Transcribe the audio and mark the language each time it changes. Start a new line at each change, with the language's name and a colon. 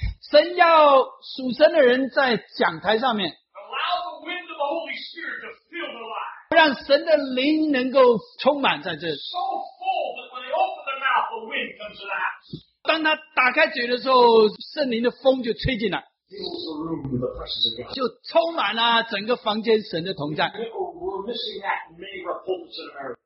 Chinese: 神要属神的人在讲台上面
English: Allow the wind of the Holy Spirit to fill their lives.
Chinese: 让神的灵能够充满在这里。
English: So full that when they open their mouth, the wind comes to the house.
Chinese: 当他打开嘴的时候，圣灵的风就吹进来。
English: Fills the room with the presence of God.
Chinese: 就充满了整个房间神的同在。
English: We're missing that in many of our pulpits in America.